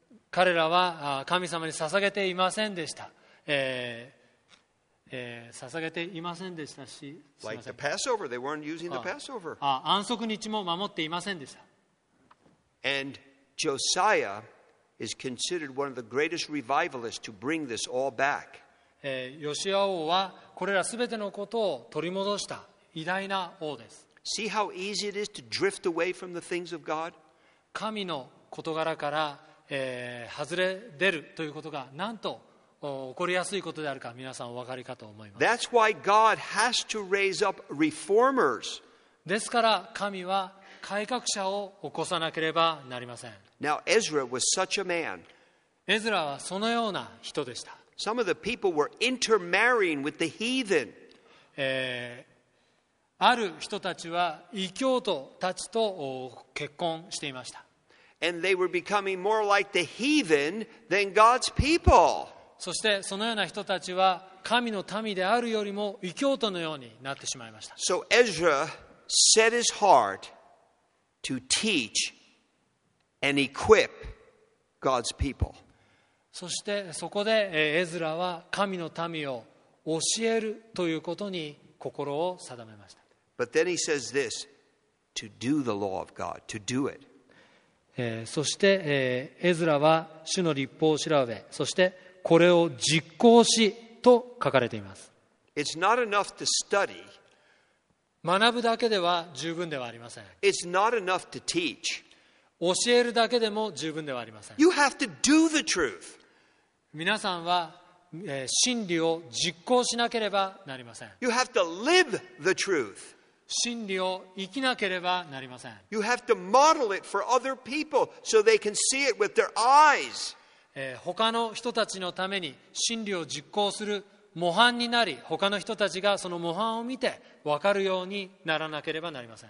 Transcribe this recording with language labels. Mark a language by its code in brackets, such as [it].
[ja] 彼らは神様に捧げていませんでした。捧げていませんでしたし、 [en] like the Passover, they weren't using the Passover. [ja] 安息日も守っていませんでした。 [en] And Josiah is considered one of the greatest revivalists to bring this all back. [ja] ヨシア王はこれらすべてのことを取り戻した偉大な王です。 [en] See how easy it is to drift away from the things of God? [ja] 神の事柄から、外れ出るということがなんと起こりやすいことであるか皆さんお分かりかと思います。 [en] That's why God has to raise up reformers. [ja] ですから神は改革者を起こさなければなりません。 [en] Now, Ezra was such a man. [ja] エズラはそのような人でした。 [en] Some of the people were intermarrying with the heathen. [ja] ある人たちは異教徒たちと結婚していました。 [en] And they were becoming more like the heathen than God's people. [ja] そしてそのような人たちは神の民であるよりも異教徒のようになってしまいました。 [en] So Ezra set his heart. To teach and equip God's people. [ja] そしてそこでエズラは神の民を教えるということに心を定めました。 [en] But then he says this, to do the law of God, to do it. [ja] そしてエズラは主の律法を調べ、そしてこれを実行しと書かれています。 [en] It's not enough to study. [ja] 学ぶだけでは十分ではありません。 [en] It's not enough to teach. [ja] 教えるだけでも十分ではありません。 [en] You have to do the truth. [ja] 皆さんは真理を実行しなければなりません。 [en] You have to live the truth. [ja] 真理を生きなければなりません。 [en] You have to model it for other people so they can see it with their eyes. [ja] 他の人たちのために真理を実行する模範になり、他の人たちがその模範を見て分かるようにならなければなりません。